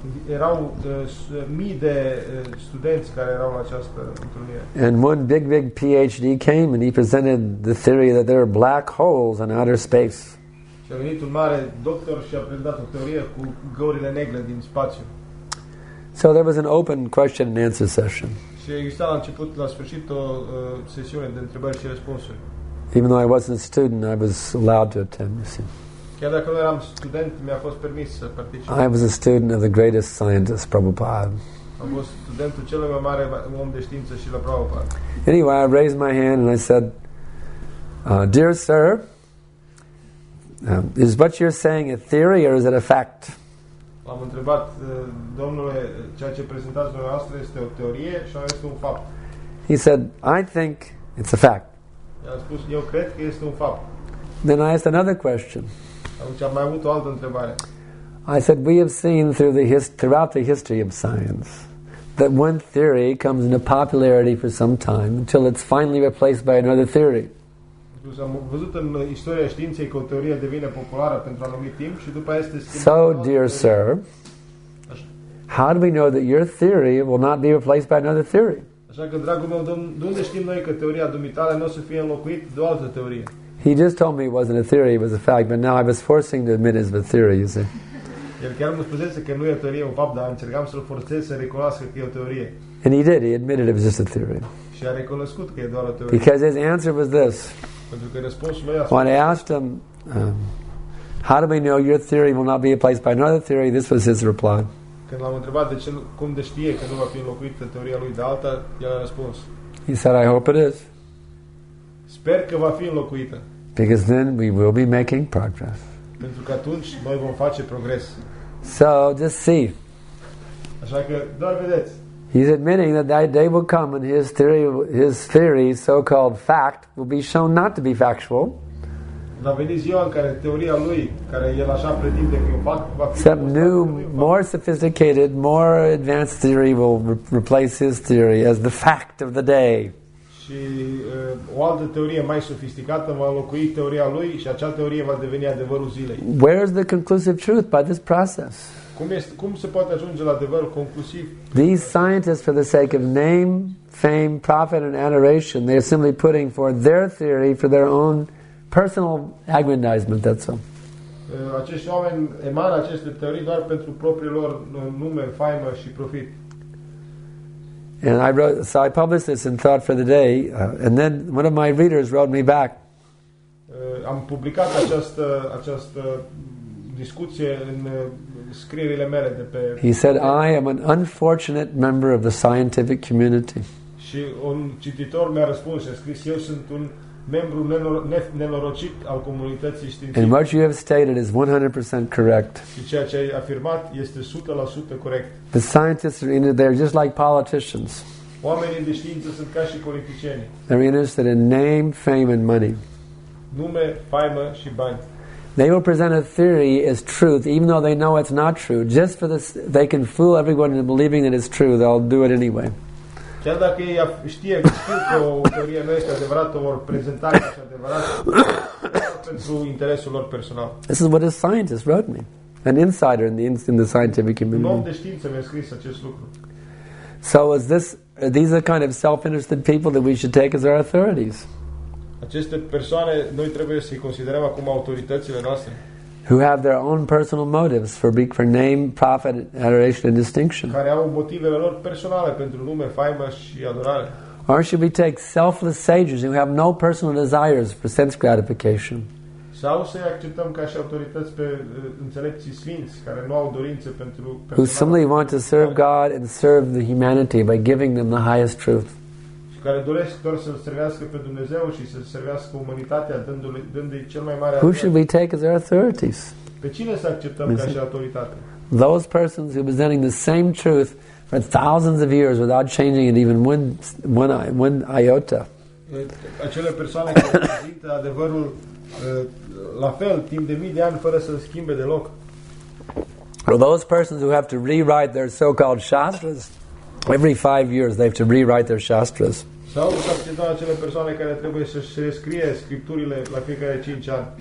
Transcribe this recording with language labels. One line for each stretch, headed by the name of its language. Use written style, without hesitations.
Romanian: Erau mii de studenți care erau la această întrunire.
English: And one big PhD came and he presented the theory that there are black holes in outer space.
Romanian: Și a venit un mare doctor și a prezentat o teorie cu găurile negre din spațiu.
English: So there was an open question and answer session.
Romanian: Și exista la început, la sfârșit, o sesiune de întrebări și răspunsuri.
English: Even though I wasn't a student, I was allowed to attend, you see.
Romanian: Chiar dacă nu eram student, mi-a fost permis să particip.
English: I was a student of the greatest scientist, Prabhupada.
Romanian: Am fost studentul cel mai mare om de știință și la Prabhupada.
English: Anyway, I raised my hand and I said, dear sir, is what you're saying a theory or is it a fact?
Romanian: L-am întrebat, domnule, ceea ce prezentați dumneavoastră este o teorie sau este un fapt?
English: He said, I think it's a fact.
Romanian: I-a spus, eu cred că este un fapt.
English: Then I asked another question.
Romanian: Am mai avut o altă întrebare.
English: I said, we have seen throughout the history of science that one theory comes into popularity for some time until it's finally replaced by another theory.
Romanian: Am văzut în istoria științei că o teorie devine populară pentru anumit timp și după este schimbată.
English: So, dear sir, how do we know that your theory will not be replaced by another theory?
Romanian: Așa că, dragul meu, de unde știm noi că teoria dumitale nu o să fie înlocuită de o altă teorie?
English: He just told me it wasn't a theory, it was a fact, but now I was forcing to admit it's a theory, you see.
Romanian: El chiar mi-a spus că nu e o teorie, un fapt, dar încercam să-l forțez să recunoască că e o teorie.
English: And he did, he admitted it was just a theory.
Romanian: Și a recunoscut că e doar o teorie.
English: Because his answer was this.
Romanian: Pentru că răspunsul lui a spus.
English: When I asked him, how do we know your theory will not be replaced by another theory, this was his reply.
Romanian: Când l-am întrebat de ce, cum de știe că nu va fi înlocuită teoria lui de alta, el a răspuns.
English: He said, I hope it is.
Romanian: Sper că va fi înlocuită.
English: Because then we will be making progress.
Romanian: Pentru că atunci noi vom face progres.
English: So, just see.
Romanian: Așa că doar vedeți.
English: He's admitting that that day will come and his theory, so-called fact, will be shown not to be factual.
Romanian: Va veni ziua în care teoria lui, care el așa pretinde că e un fapt, va fi...
English: Some new, more sophisticated, more advanced theory will replace his theory as the fact of the day.
Romanian: Și o altă teorie mai sofisticată va înlocui teoria lui și acea teorie va deveni adevărul zilei.
English: Where is the conclusive truth by this process?
Romanian: Cum se poate ajunge la adevărul conclusiv?
English: These scientists, for the sake of name, fame, profit and adoration, they are simply putting forth their theory for their own personal aggrandizement, that's all.
Romanian: Acești oameni emană aceste teorii doar pentru propriul lor nume, faimă și profit.
English: And I wrote, so I published this in Thought for the Day, and then one of my readers wrote me back.
Romanian: Am publicat această discuție în scrierile mele de pe.
English: He said, I am an unfortunate member of the scientific community.
Romanian: Și un cititor mi-a răspuns și a scris, eu sunt un membru nenorocit al comunității științifice.
English: And what you have stated is 100% correct.
Romanian: Și ceea ce ai afirmat este 100% corect.
English: The scientists are in there just like politicians.
Romanian: Oamenii de știință sunt ca și politicieni.
English: They're interested in name, fame and money.
Romanian: Nume, faimă și bani.
English: They will present a theory as truth, even though they know it's not true. Just for this, they can fool everyone into believing that it's true, they'll do it anyway.
Romanian: Chiar dacă ei știe că știu că o teorie nu este adevărată, vor prezenta ca și adevărat pentru interesul lor personal.
English: This is what a scientist wrote me, an insider in the scientific community.
Romanian: Un om de știință mi-a scris acest lucru.
English: So is this, these are kind of self-interested people that we should take as our authorities.
Romanian: Aceste persoane noi trebuie să-i considerăm acum autoritățile noastre.
English: Who have their own personal motives for name, profit, adoration, and distinction?
Romanian: Care au motivele lor personale pentru nume, faimă și adorare?
English: Or should we take selfless sages who have no personal desires for sense gratification?
Romanian: Sau să acceptăm ca și autorități pe înțelepții sfinți care nu au dorințe pentru?
English: Who simply want to serve God and serve the humanity by giving them the highest truth?
Romanian: Care doresc doar să servească pe Dumnezeu și să servească umanitatea dându-i cel mai mare.
English: Who should we take as our authorities?
Romanian: Pe cine să acceptăm ca și autoritate?
English: Those persons who are presenting the same truth for thousands of years without changing it even one iota.
Romanian: Acele persoane care prezintă adevărul la fel timp de mii de ani fără să schimbe deloc.
English: Or those persons who have to rewrite their so-called shastras. Every 5 years they have to rewrite their shastras.
Romanian: Sau acceptăm acele persoane care trebuie să se rescrie scripturile la fiecare 5 ani.